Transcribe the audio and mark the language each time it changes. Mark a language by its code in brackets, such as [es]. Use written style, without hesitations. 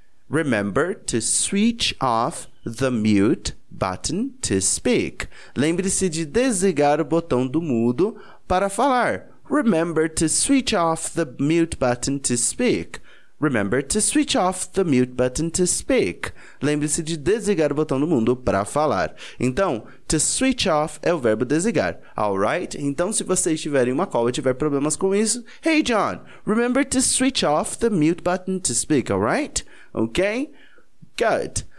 [en] Remember to switch off the mute button to speak. [pt] Lembre-se de desligar o botão do mudo para falar. [en] Remember to switch off the mute button to speak. Remember to switch off the mute button to speak. [pt] Lembre-se de desligar o botão do mudo para falar. Então, [en] to switch off [pt] é o verbo desligar. [en] Alright? [pt] Então, se vocês tiverem uma call e tiver problemas com isso, [en] hey John, remember to switch off the mute button to speak, alright? Ok? Good.